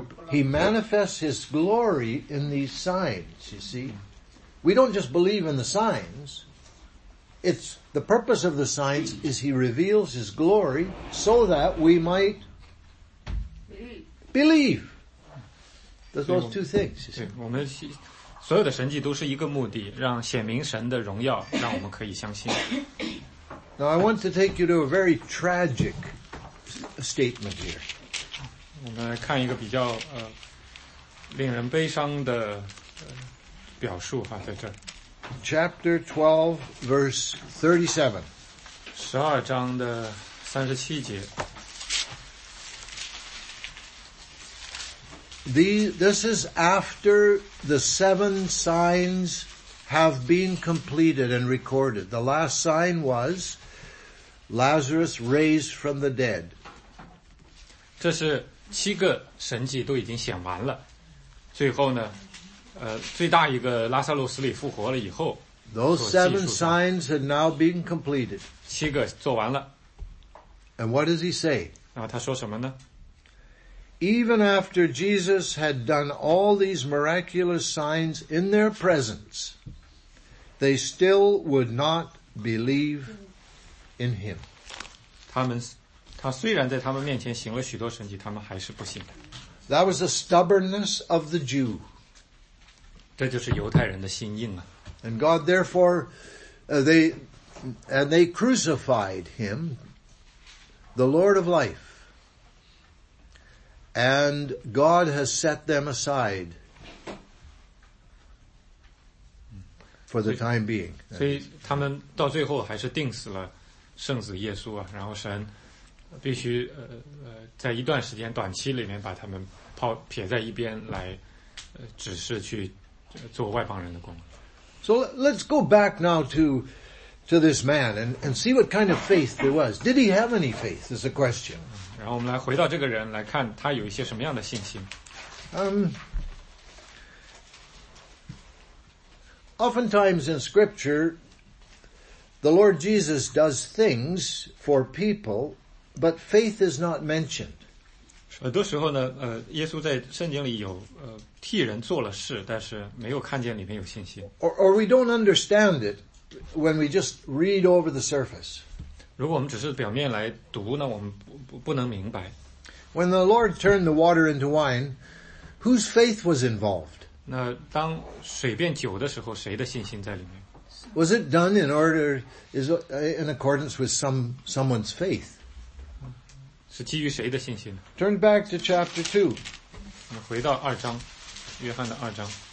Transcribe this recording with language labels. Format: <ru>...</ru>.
<en>He manifests his glory in these signs, you see. We don't just believe in the signs. It's the purpose of the signs is he reveals his glory so that we might believe. Those two things.</en> <zh>对，我们所有的神迹都是一个目的，让显明神的荣耀，让我们可以相信。</zh> <en>Now I want to take you to a very tragic statement here.</en> <zh>我们来看一个比较令人悲伤的表述哈，在这儿。</zh> <en>Chapter 12, verse 37.</en> <zh>12章的37节。</zh> <en>This is after the seven signs have been completed and recorded. The last sign was Lazarus raised from the dead.</en> <zh>这是七个神迹都已经显完了。最后呢，最大一个拉撒路死里复活了以后。</zh> <en>Those seven signs had now been completed.</en> <zh>七个做完了。</zh> <en>And what does he say?</en> <zh>然后他说什么呢？</zh> <en>Even after Jesus had done all these miraculous signs in their presence, they still would not believe in him.</en> <zh>他虽然在他们面前行了许多神迹，他们还是不信。</zh> <en>That was the stubbornness of the Jew.</en> <zh>这就是犹太人的心硬啊。</zh> <en>And God therefore, they crucified him, the Lord of life. and God has set them aside for the time being.</en> <zh>所以他们到最后还是定死了圣子耶稣啊，然后神必须在一段时间短期里面把他们抛撇在一边来只是去做外邦人的工。</zh> <en>So let's go back now to this man and see what kind of faith there was. Did he have any faith? Is a question.</en> <zh>然后我们来回到这个人来看他有一些什么样的信心。</zh> <en>Oftentimes in scripture, the Lord Jesus does things for people, but faith is not mentioned.</en> <zh>很多时候呢耶稣在圣经里有替人做了事但是没有看见里面有信心。</zh> <en>Or we don't understand it when we just read over the surface.</en> <zh>如果我们只是表面来读呢我们 不能明白。</zh> <en>When the Lord turned the water into wine, whose faith was involved?</en> <zh>那当水变酒的时候谁的信心在里面</zh> <en>?Was it done in order, is in accordance with someone's faith?</en> <zh>是基于谁的信心呢</zh> <en>?Turn back to chapter 2.</en> <zh>我们回到二章。约翰的二章</zh>